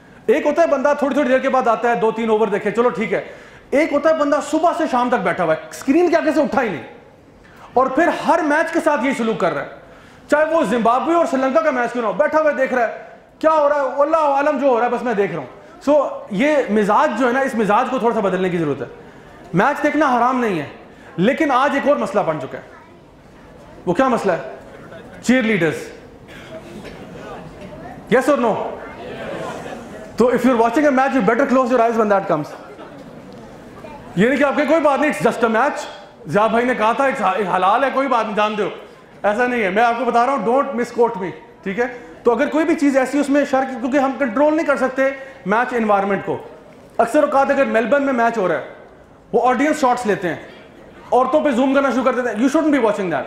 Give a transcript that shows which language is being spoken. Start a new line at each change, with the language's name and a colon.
Hindi: एक होता है बंदा थोड़ी थोड़ी देर के बाद आता है, दो तीन ओवर देखे, चलो ठीक है. एक होता है बंदा सुबह से शाम तक बैठा हुआ है, स्क्रीन के आगे से उठा ही नहीं, और फिर हर मैच के साथ यही सलूक कर रहा है, चाहे वो जिम्बाब्वे और श्रीलंका का मैच क्यों ना हो, बैठा हुआ देख रहा है क्या हो रहा है, अल्लाह आलम जो हो रहा है बस मैं देख रहा हूं. सो ये मिजाज जो है ना, इस मिजाज को थोड़ा सा बदलने की जरूरत है. मैच देखना हराम नहीं है, लेकिन आज एक और मसला बन चुका है. वो क्या मसला है? Cheer leaders.
English: Yes or no? Yes. So if you're watching a match, you better close your eyes when that comes.
Hindi: ये नहीं कि आपके कोई बात नहीं,
English: it's just a match.
Hindi: जहाँ भाई ने कहा था एक हलाल है, कोई बात नहीं, जान दो. ऐसा नहीं है, मैं आपको बता रहा हूँ,
English: don't misquote me.
Hindi: ठीक है? तो अगर कोई भी चीज़ ऐसी उसमें शर्क, क्योंकि हम कंट्रोल नहीं कर सकते मैच इन्वायरमेंट को. अक्सर औकात अगर मेलबर्न में मैच हो रहा है, वो ऑडियंस शॉट्स लेते हैं, औरतों पे जूम करना शुरू कर देते हैं.
English: You shouldn't be watching that.